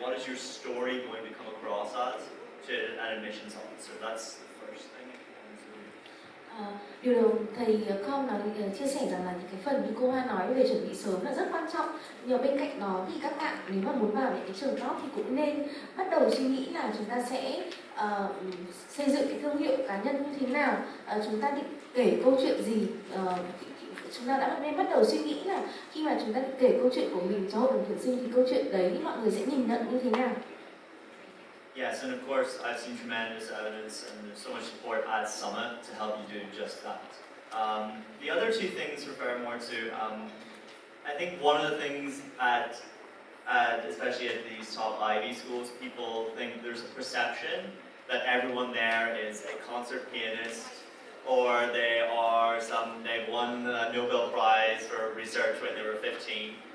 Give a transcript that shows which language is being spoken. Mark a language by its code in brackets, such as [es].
[en] What is your story going to come across as to an admissions officer? That's the first thing. [vi] Điều đầu thầy Com nói chia sẻ rằng là những cái phần như cô Hoa nói về chuẩn bị sớm là rất quan trọng. Nhưng bên cạnh đó thì các bạn nếu mà muốn vào những cái trường top thì cũng nên bắt đầu suy nghĩ là chúng ta sẽ xây dựng cái thương hiệu cá nhân như thế nào, chúng ta định kể câu chuyện gì. Chúng ta đã nên bắt đầu suy nghĩ là khi mà chúng ta định kể câu chuyện của mình cho hội đồng tuyển sinh thì câu chuyện đấy mọi người sẽ nhìn nhận như thế nào. [en] Yes, and of course, I've seen tremendous evidence and there's so much support at Summit to help you do just that. The other two things refer more to, I think one of the things at especially at these top Ivy schools, people think there's a perception that everyone there is a concert pianist or they've won the Nobel Prize for research when they were 15.